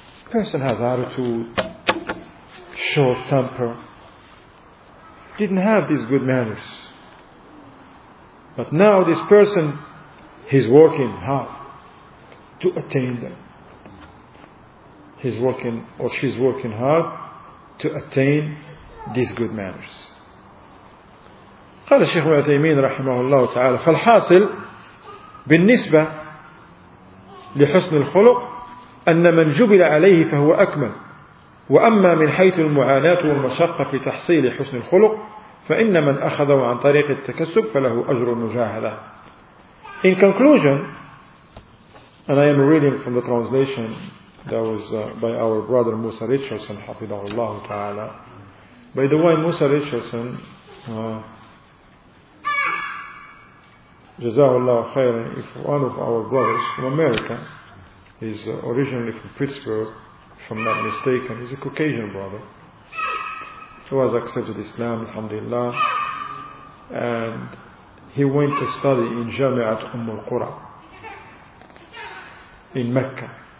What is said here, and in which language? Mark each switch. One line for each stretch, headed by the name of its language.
English: Person has attitude, short temper, didn't have these good manners. But now this person, he's working hard to attain them. He's working or she's working hard to attain these good manners.
Arabic: قال الشيخ العثيمين رحمه الله تعالى فالحاصل بالنسبة لحسن الخلق أن من جبل عليه فهو أكمل، وأما من حيث المعاناة والمشقة في تحصيل حسن الخلق فإن من أخذه عن طريق التكسب فله أجر المجاهدة.
English: In conclusion, and I am reading from the translation that was by our brother Musa Richardson
Arabic: حفظه الله تعالى.
English: By the way, Musa Richardson Jazahullah khairan, if one of our brothers from America, is originally from Pittsburgh, if I'm not mistaken, he's a Caucasian brother, who has accepted Islam, alhamdulillah, and he went to study in Jami'at Umm al-Qura, in Mecca.